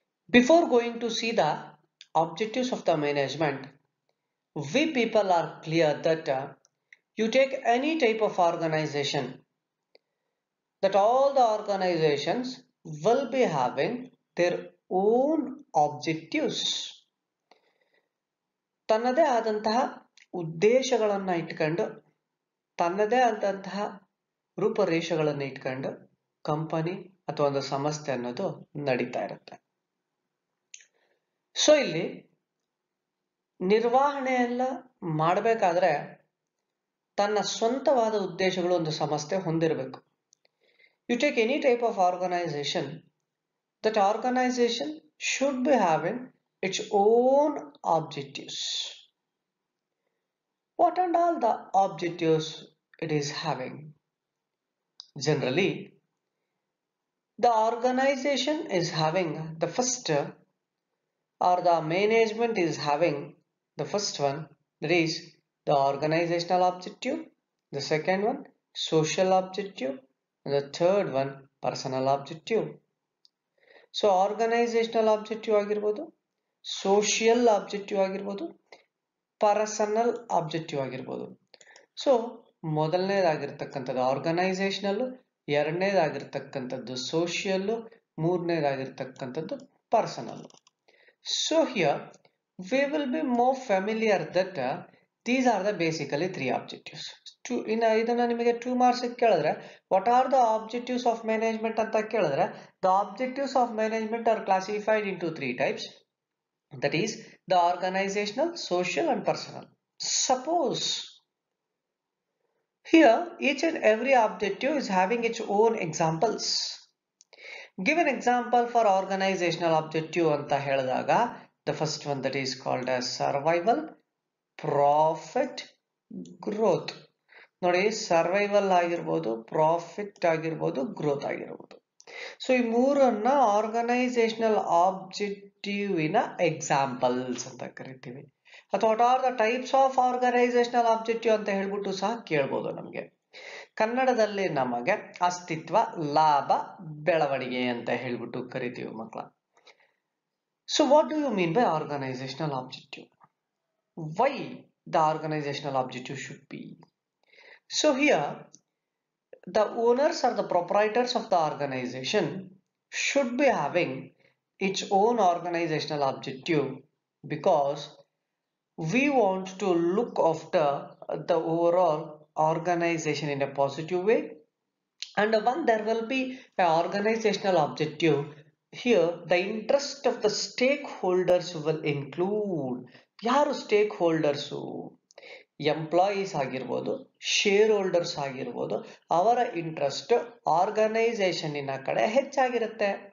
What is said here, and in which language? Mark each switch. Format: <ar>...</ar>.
<en>Before going to see the objectives of the management, we people are clear that you take any type of organization, that all the organizations will be having their own objectives.</en> <kn>Tannade adantaha uddeshagalanna ittukondu ತನ್ನದೇ ಆದಂತಹ ರೂಪರೇಷೆಗಳನ್ನು ಇಟ್ಕೊಂಡು company ಅಥವಾ ಒಂದು ಸಂಸ್ಥೆ ಅನ್ನೋದು ನಡೀತಾ ಇರುತ್ತೆ. So ಇಲ್ಲಿ ನಿರ್ವಹಣೆಯೆಲ್ಲ ಮಾಡಬೇಕಾದ್ರೆ ತನ್ನ ಸ್ವಂತವಾದ ಉದ್ದೇಶಗಳು ಒಂದು ಸಂಸ್ಥೆ ಹೊಂದಿರಬೇಕು.</kn> <en>You take any type of organization, that organization should be having its own objectives. What and all the objectives it is having? Generally, the organization is having the first, or the management is having the first one, that is the organizational objective, the second one social objective, and the third one personal objective.</en> <kn>So organizational objective agirbodu, social objective agirbodu, personal objective ಆಗಿರ್ಬೋದು. So ಮೊದಲನೇದಾಗಿರ್ತಕ್ಕಂಥದ್ದು ಆರ್ಗನೈಸೇಷನಲ್ಲು, ಎರಡನೇದಾಗಿರ್ತಕ್ಕಂಥದ್ದು social, ಮೂರನೇದಾಗಿರ್ತಕ್ಕಂಥದ್ದು personnel.</kn> <en>So here we will be more familiar that these are the basically three objectives. ಟೂ</en> <kn>ಇನ್ನು ಇದನ್ನು ನಿಮಗೆ</kn> <en>2 marks</en> <kn>ಕೇಳಿದ್ರೆ</kn> <en>what are the objectives of management</en> <kn>ಅಂತ ಕೇಳಿದ್ರೆ</kn> <en>The objectives of management are classified into 3 types. That is the organizational, social and personal. Suppose here each and every objective is having its own examples. Give an example for organizational objective</en> <kn>anta heladaga,</kn> <en>the first one that is called as survival, profit, growth.</en> <kn>Nodi survival agirbodu, profit agirbodu, growth agirbodu. So ಈ ಮೂರನ್ನು organisational ಆಬ್ಜೆಕ್ಟಿವಿನ examples ಅಂತ ಕರಿತೀವಿ. ಅಥವಾ</kn> <en>what are the types of organizational objective</en> <kn>ಅಂತ ಹೇಳ್ಬಿಟ್ಟು ಸಹ ಕೇಳ್ಬೋದು. ನಮಗೆ ಕನ್ನಡದಲ್ಲಿ ನಮಗೆ ಅಸ್ತಿತ್ವ, ಲಾಭ, ಬೆಳವಣಿಗೆ ಅಂತ ಹೇಳ್ಬಿಟ್ಟು ಕರಿತೀವಿ ಮಕ್ಕಳ.</kn> <en>So what do you mean by organizational objective? Why the organizational objective should be?</en> <kn>So</kn> <en>Here the owners or the proprietors of the organization should be having its own organizational objective, because we want to look after the overall organization in a positive way. And when there will be an organizational objective, here the interest of the stakeholders will include.</en> <kn>Yaru stakeholders? Employees ಆಗಿರ್ಬೋದು, share holders ಆಗಿರ್ಬೋದು, ಅವರ interest ಆರ್ಗನೈಸೇಷನ್ನಿನ ಕಡೆ ಹೆಚ್ಚಾಗಿರುತ್ತೆ.</kn>